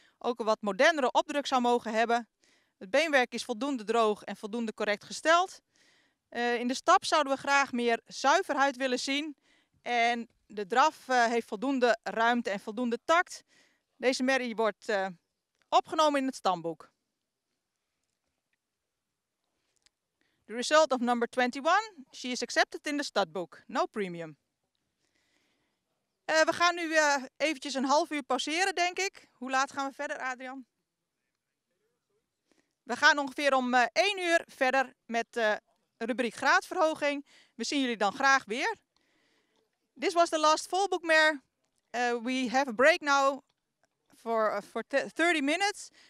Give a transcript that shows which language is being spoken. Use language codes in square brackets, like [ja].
[nl] Ook een wat modernere opdruk zou mogen hebben. Het beenwerk is voldoende droog en voldoende correct gesteld. In de stap zouden we graag meer zuiverheid willen zien. En de draf heeft voldoende ruimte en voldoende takt. Deze Mary wordt opgenomen in het stamboek. [en] The result of number 21, she is accepted in the studbook. No premium. [nl] We gaan nu eventjes een half uur pauzeren, denk ik. Hoe laat gaan we verder, Adrian? We gaan ongeveer om 1 uur verder met de rubriek graadverhoging. We zien jullie dan graag weer. [en] This was the last full book mare. We have a break now for 30 minutes.